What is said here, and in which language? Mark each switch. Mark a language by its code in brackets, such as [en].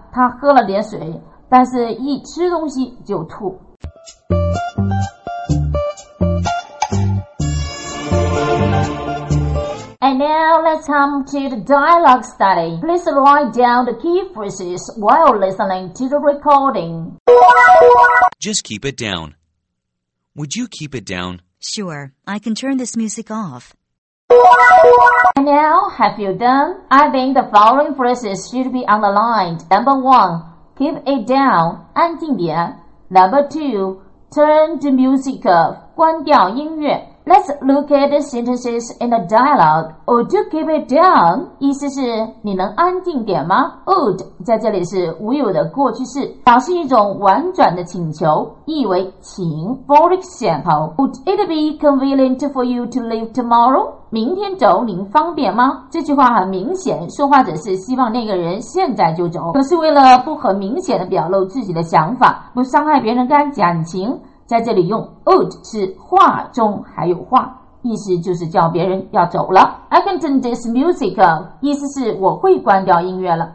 [zh] 他喝了点水，但是一吃东西就吐。 [en] And now let's come to the dialogue study. Please write down the key phrases while listening to the recording. Just keep it down. Would you keep it down? Sure, I can turn this music off. And now, have you done? I think the following phrases should be underlined. Number one, keep it down, [zh] 安静点。 [en] Number two, turn the music off, [zh] 关掉音乐。 [en] Let's look at the sentences in the dialogue. Would you keep it down? [zh] 意思是你能安静点吗 ?Would 在这里是无有的过去式，表示一种婉转的请求，意为请。 [en] For example, would it be convenient for you to leave tomorrow? [zh] 明天走您方便吗？这句话很明显，说话者是希望那个人现在就走，可是为了不很明显的表露自己的想法，不伤害别人感情，在这里用 would 是话中还有话，意思就是叫别人要走了。 [en] I can turn this music off， [zh] 意思是我会关掉音乐了。